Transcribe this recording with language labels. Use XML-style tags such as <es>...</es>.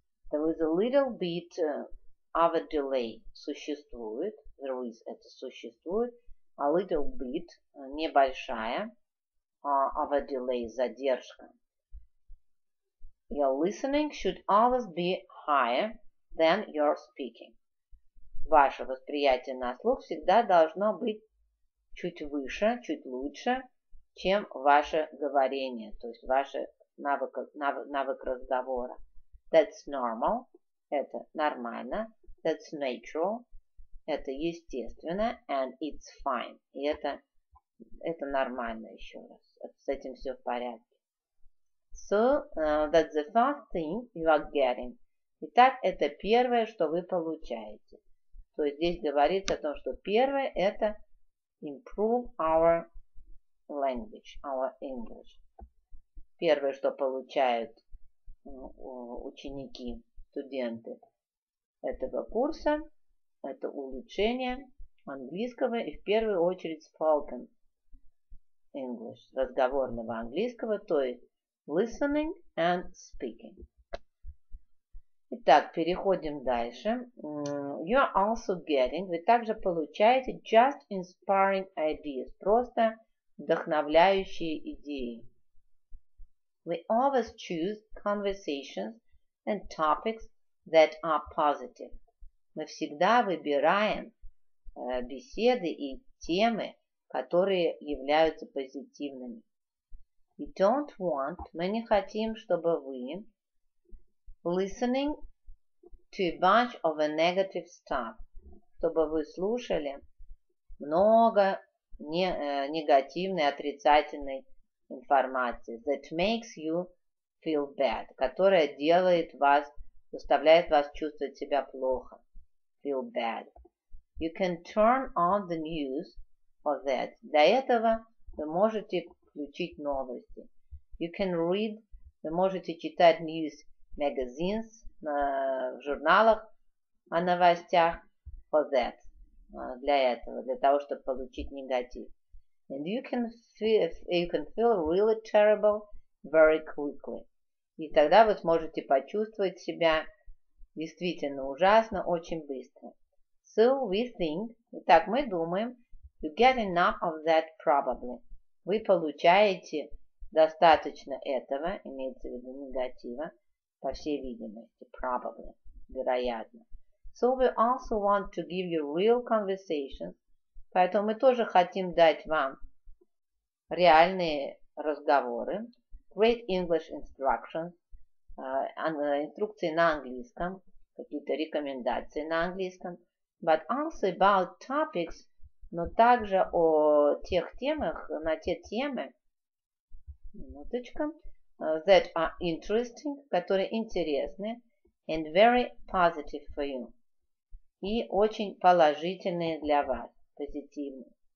<en>There is a little bit of a delay.</en> <ru>Существует.</ru> <en>There is,</en> <ru>это существует.</ru> <en>A little bit,</en> <ru>небольшая,</ru> <en>of a delay,</en> <ru>задержка.</ru> <en>Your listening should always be higher than your speaking.</en> <ru>Ваше восприятие на слух всегда должно быть чуть выше, чуть лучше, чем ваше говорение, то есть ваш навык разговора.</ru> <en>That's normal.</en> <ru>Это нормально.</ru> <en>That's natural.</en> <ru>Это естественно.</ru> <en>And it's fine.</en> <ru>И это нормально еще раз. С этим все в порядке.</ru> <en>So, that's the first thing you are getting.</en> <ru>Итак, это первое, что вы получаете. То есть здесь говорится о том, что первое это</ru> <en>improve our language, our English.</en> <ru>Первое, что получают ученики, студенты этого курса, это улучшение английского и в первую очередь</ru> <en>spoken English,</en> <ru>разговорного английского, то есть</ru> <en>listening and speaking.</en> <ru>Итак, переходим дальше.</ru> <en>You are also getting,</en> <ru>вы также получаете</ru> <en>just inspiring ideas,</en> <ru>просто вдохновляющие идеи.</ru> <en>We always choose conversations and topics that are positive.</en> <ru>Мы всегда выбираем беседы и темы, которые являются позитивными.</ru> <en>We don't want,</en> <ru>мы не хотим, чтобы вы</ru> <en>listening to a bunch of a negative stuff,</en> <ru>чтобы вы слушали много негативной, отрицательной информации,</ru> <en>that makes you feel bad,</en> <ru>которая делает вас, заставляет вас чувствовать себя плохо.</ru> <en>Feel bad. You can turn on the news for that.</en> <ru>Для этого вы можете включить новости.</ru> <en>You can read,</en> <ru>вы можете читать</ru> <en>news magazines</en> <ru>в журналах о новостях</ru> <en>for that.</en> <ru>Для этого, для того, чтобы получить негатив.</ru> <en>And you can feel really terrible very quickly.</en> <ru>И тогда вы сможете почувствовать себя действительно ужасно очень быстро.</ru> <en>So we think,</en> <ru>итак, мы думаем,</ru> <en>you get enough of that probably.</en> <ru>Вы получаете достаточно этого, имеется в виду негатива, по всей видимости,</ru> <en>probably,</en> <ru>вероятно.</ru> <en>So we also want to give you real conversations.</en> <ru>Поэтому мы тоже хотим дать вам реальные разговоры.</ru> <en>Great English instructions.</en> <ru>инструкции на английском, какие-то рекомендации на английском,</ru> <en>but also about topics,</en> <ru>но также о тех темах, на те темы, минуточка,</ru> <en>that are interesting,</en> <ru>которые интересны,</ru> <en>and very positive for you,</en> <ru>и очень положительные для вас, позитивные.</ru>